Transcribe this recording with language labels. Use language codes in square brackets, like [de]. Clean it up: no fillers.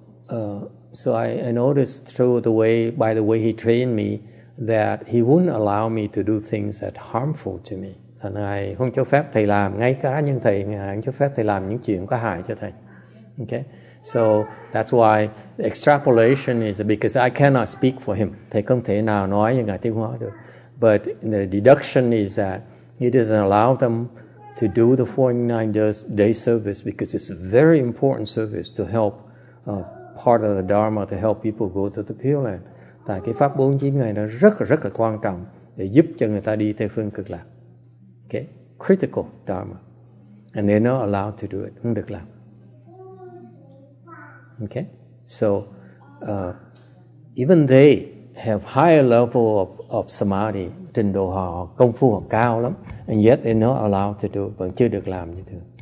[en] So I noticed by the way he trained me that he wouldn't allow me to do things that harmful to me. [vi] Thành ngài không cho phép thầy làm ngay cả nhân thầy ngài không cho phép thầy làm những chuyện có hại cho thầy. [en] Okay. So that's why the extrapolation is because I cannot speak for him. [vi] Thầy không thể nào nói với Ngài Thiên Hóa được. [en] But the deduction is that he doesn't allow them to do the 49-day service because it's a very important service to help part of the Dharma to help people go to the Pure Land. [vi] Tại cái pháp 49 ngày nó rất rất là quan trọng để giúp cho người ta đi Tây Phương Cực Lạc. [en] Okay? Critical Dharma. And they're not allowed to do it. [vi] Không được làm. [en] Okay, so even they have higher level of samadhi, [vi] trình độ họ công phu họ cao lắm, [en] and yet they're not allowed to do, [vi] vẫn chưa được làm như thế.